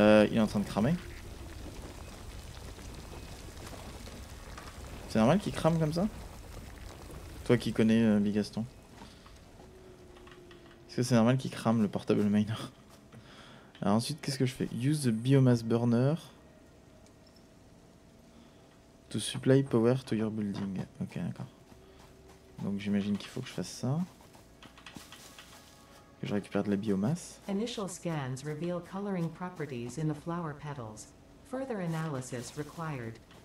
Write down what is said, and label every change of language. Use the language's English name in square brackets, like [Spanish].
[French] Il est en train de cramer. C'est normal qu'il crame comme ça? Toi qui connais Big Gaston. Est-ce que c'est normal qu'il crame le portable miner? Alors ensuite, qu'est-ce que je fais? [English] Use the biomass burner to supply power to your building. [French] Ok, d'accord. Donc j'imagine qu'il faut que je fasse ça. Que je récupère de la biomasse. [English] Initial scans reveal coloring properties in the flower petals. Further analysis required.